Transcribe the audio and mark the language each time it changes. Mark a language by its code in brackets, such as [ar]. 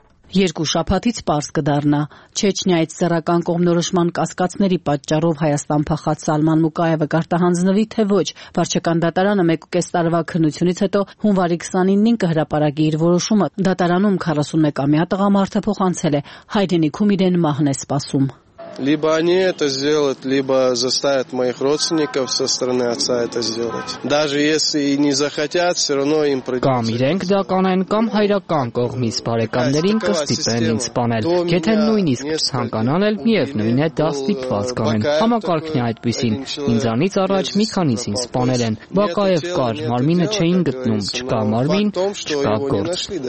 [hy] Երկու շաբաթից պարզ կդառնա, Չեչնիայից սեռական կողմնորոշման կասկածների պատճառով Հայաստան փախած Սալման Մուկաևը կարտահանձնվի թե ոչ։ Վարչական դատարանը 1.5 տարվա քննությունից հետո հունվարի 29-ին կհրապարակի իր որոշումը։ Դատարանում 41-ամյա տղամարդը փոխանցել է, հայրենիքում իրեն մահն է սպասում։ [ru] Либо они это сделают, либо заставят моих родственников со стороны отца это сделать. Даже если и не захотят, все равно им придется. [hy] Կամ իրենք դա կանեն, կամ հայրական կողմից բարեկամներին կստիպեն ինձ սպանել։ Եթե նույնիսկ ցանկանան, միևնույն է, դա ստիպված կանեն։ Համակարգն է այդպիսին, ինձանից առաջ մի քանիսին սպանել են։ Բակաև կար, մարմինը չէին գտնում, չկա մարմին, չկա գործ։